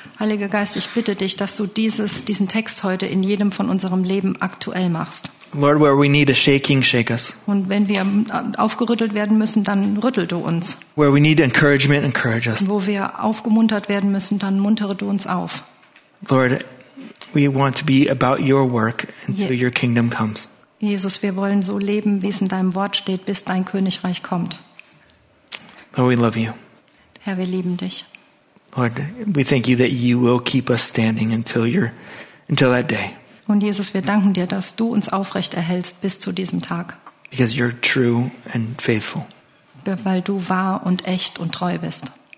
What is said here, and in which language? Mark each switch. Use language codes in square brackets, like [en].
[de] Heiliger Geist, ich bitte dich, dass du diesen Text heute in jedem von unserem Leben aktuell machst. [en] Lord, where we need a shaking, shake us. [de] Und wenn wir aufgerüttelt werden müssen, dann rüttel du uns. [en] Where we need encouragement, encourage us. [de] Und wo wir aufgemuntert werden müssen, dann muntere du uns auf. [en] Lord, we want to be about your work until your kingdom comes. [de] Jesus, wir wollen so leben, wie es in deinem Wort steht, bis dein Königreich kommt. [en] Lord, we love you. [de] Herr, wir lieben dich. [en] Lord, we thank you that you will keep us standing until that day. [de] Und Jesus, wir danken dir, dass du uns aufrecht erhältst bis zu diesem Tag. [en] Because you're true and faithful. [de] Weil du wahr und echt und treu bist.